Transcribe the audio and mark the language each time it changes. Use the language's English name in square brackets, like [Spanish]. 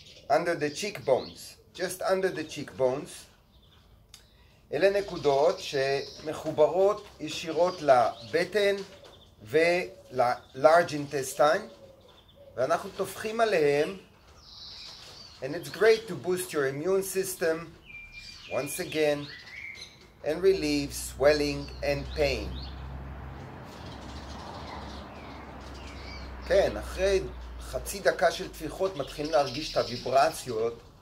[Hebrew] Under the cheekbones. Just under the cheekbones. אלה נקודות שמחוברות ישירות לבטן ול-large intestine, ואנחנו תופחים עליהם. [English] And it's great to boost your immune system once again and relieve swelling and pain. [Hebrew] כן, אחרי חצי דקה של תפיחות מתחילים להרגיש את הוויברציות.